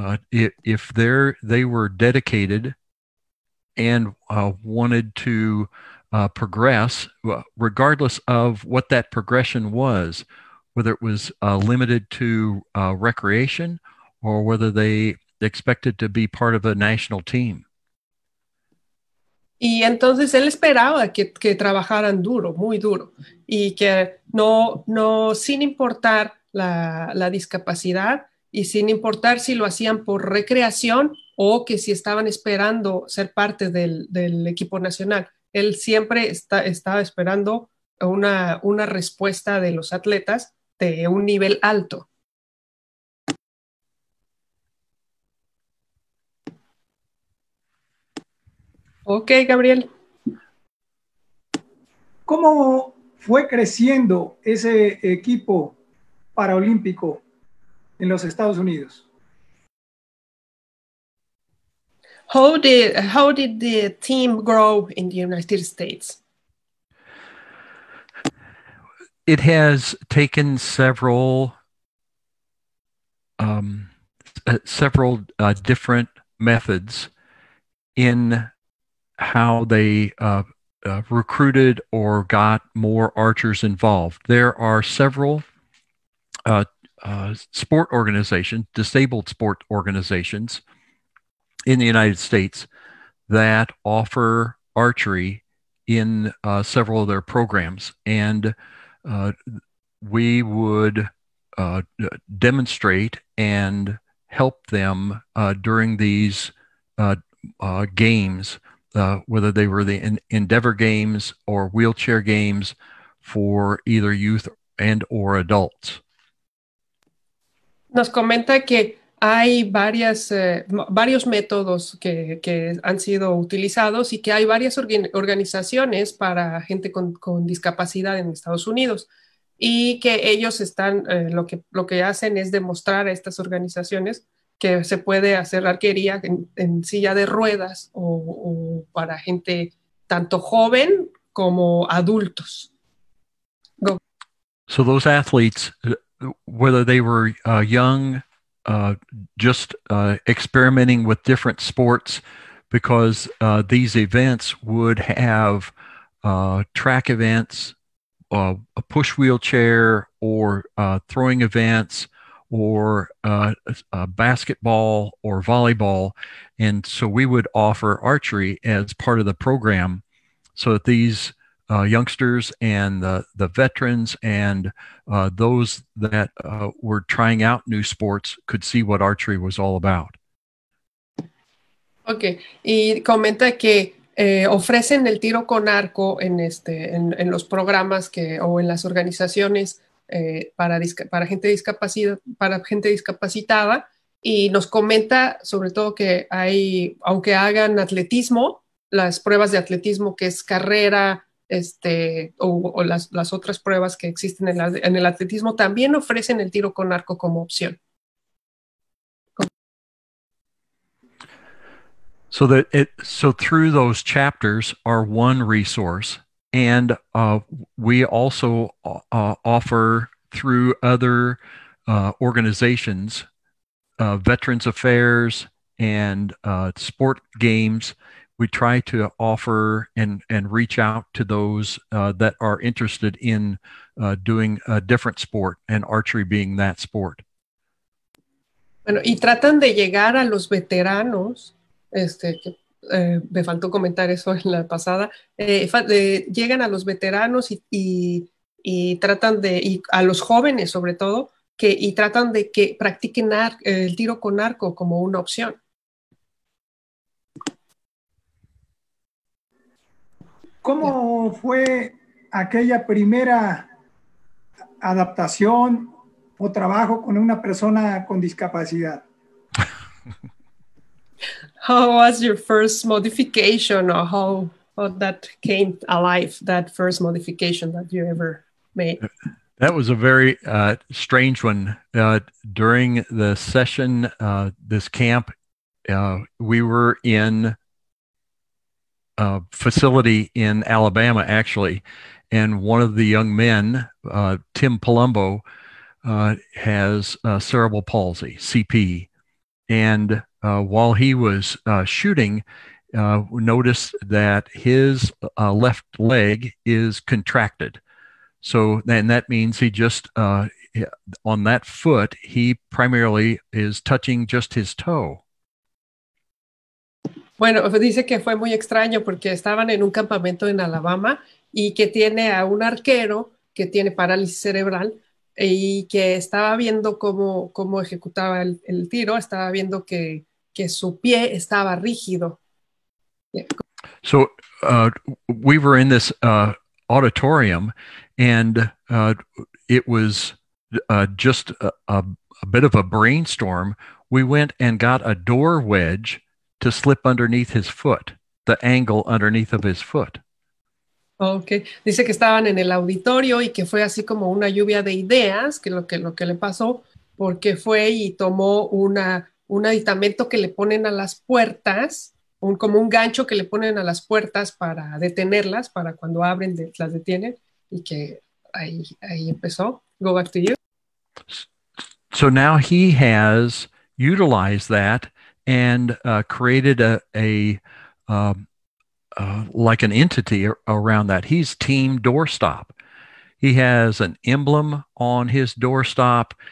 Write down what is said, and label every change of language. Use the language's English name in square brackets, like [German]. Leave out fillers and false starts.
[English] If they were dedicated and wanted to progress, regardless of what that progression was, whether it was limited to recreation or whether they expected to be part of a national team. [Spanish] Y entonces él esperaba que trabajaran duro, muy duro, y que no sin importar la discapacidad, y sin importar si lo hacían por recreación o que si estaban esperando ser parte del equipo nacional. Él siempre estaba esperando una respuesta de los atletas de un nivel alto. Ok, Gabriel. ¿Cómo fue creciendo ese equipo paralímpico en los Estados Unidos? [English] How did the team grow in the United States? It has taken several different methods in how they recruited or got more archers involved. There are several sport organizations, disabled sport organizations in the United States that offer archery in several of their programs. And we would demonstrate and help them during these games, whether they were the Endeavor games or wheelchair games for either youth and or adults. [Spanish] Nos comenta que hay varios métodos que han sido utilizados y que hay varias organizaciones para gente con discapacidad en Estados Unidos, y que ellos están, lo que hacen es demostrar a estas organizaciones que se puede hacer arquería en silla de ruedas o para gente tanto joven como adultos. [English] Go. So those athletes, whether they were young, just experimenting with different sports, because these events would have track events, a push wheelchair, or throwing events, or basketball or volleyball. And so we would offer archery as part of the program so that these youngsters and the veterans and those that were trying out new sports could see what archery was all about. [Spanish] Okay, y comenta que ofrecen el tiro con arco en los programas en las organizaciones para gente discapacitada, y nos comenta sobre todo que aunque hagan atletismo, las pruebas de atletismo, que es carrera, o las otras pruebas que existen en el atletismo, también ofrecen el tiro con arco como opción. [English] So that it, so through those chapters are one resource, and we also offer through other organizations, Veterans Affairs and sport games. We try to offer and reach out to those that are interested in doing a different sport, and archery being that sport. [Spanish] Bueno, y tratan de llegar a los veteranos. Me faltó comentar eso en la pasada. Llegan a los veteranos y tratan de, y a los jóvenes sobre todo, que y tratan de que practiquen el tiro con arco como una opción. ¿Cómo fue aquella primera adaptación o trabajo con una persona con discapacidad? [English] How was your first modification, or how that came alive, that first modification that you ever made? That was a very strange one. During the session, this camp, we were in a facility in Alabama, actually, and one of the young men, Tim Palumbo, has cerebral palsy, CP, and while he was shooting, noticed that his left leg is contracted. So, and that means he just, on that foot, he primarily is touching just his toe. [Spanish] Bueno, dice que fue muy extraño porque estaban en un campamento en Alabama y que tiene a un arquero que tiene parálisis cerebral y que estaba viendo cómo ejecutaba el tiro, estaba viendo que su pie estaba rígido. [English] Yeah. So we were in this auditorium, and it was just a bit of a brainstorm. We went and got a door wedge to slip underneath his foot, the angle underneath of his foot. Okay. [Spanish] Dice que estaban en el auditorio y que fue así como una lluvia de ideas, que lo que le pasó, porque fue y tomó un aditamento que le ponen a las puertas, como un gancho que le ponen a las puertas para detenerlas, para cuando abren, las detienen, y que ahí empezó. [English] Go back to you. So now he has utilized that and created like an entity around that. He's Team Doorstop. He has an emblem on his doorstop.